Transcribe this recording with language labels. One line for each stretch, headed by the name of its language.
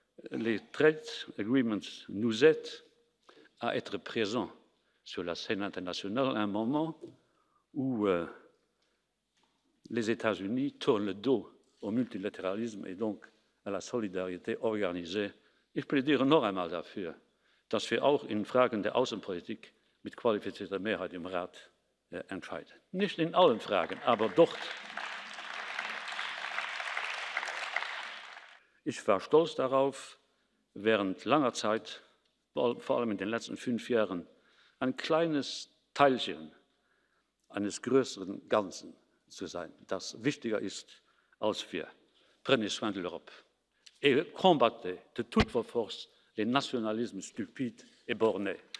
French: Les
English: trade agreements
French: nous aident à être présents sur la scène internationale à un moment où les États-Unis tournent le dos au multilatéralisme et donc à la solidarité organisée.
German: Ich plädiere noch einmal dafür, dass wir auch in Fragen der Außenpolitik mit qualifizierter Mehrheit im Rat entscheiden. Nicht in allen Fragen, aber doch. Ich war stolz darauf, während langer Zeit, vor allem in den letzten 5 Jahren, ein kleines Teilchen eines größeren Ganzen zu sein, das wichtiger ist als wir.
French: Prenez soin de l'Europe. Et combattez de toutes vos forces les nationalismes stupides et bornés.